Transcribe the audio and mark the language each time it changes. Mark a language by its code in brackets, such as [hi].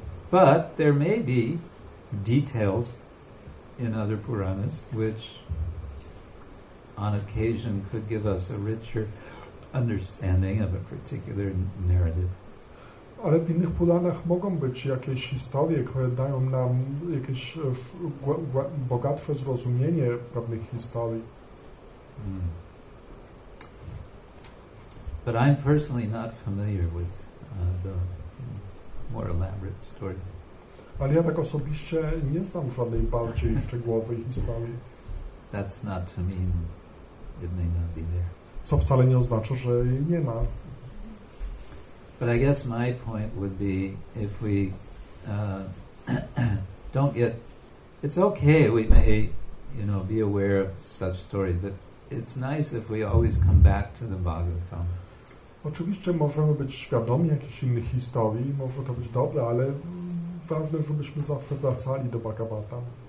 [en] But there may be details in other Puranas which on occasion could give us a richer understanding of a particular narrative. [pl] Ale w innych Puranach mogą być jakieś historie, które dają nam jakieś bogatsze zrozumienie pewnych historii. Hmm. [en] But I'm personally not familiar with the more elaborate story. [pl] Ale ja tak osobiście nie znam żadnej bardziej szczegółowej historii. [en] That's not to mean it may not be there. [pl] Co wcale nie oznacza, że jej nie ma. [en] But I guess my point would be, if we don't get, it's okay, we may, you know, be aware of such stories, but it's nice if we always come back to the Bhagavatam. [pl] Oczywiście możemy być świadomi jakichś innych historii, może to być dobre, ale ważne, żebyśmy zawsze wracali do Bhagavatam.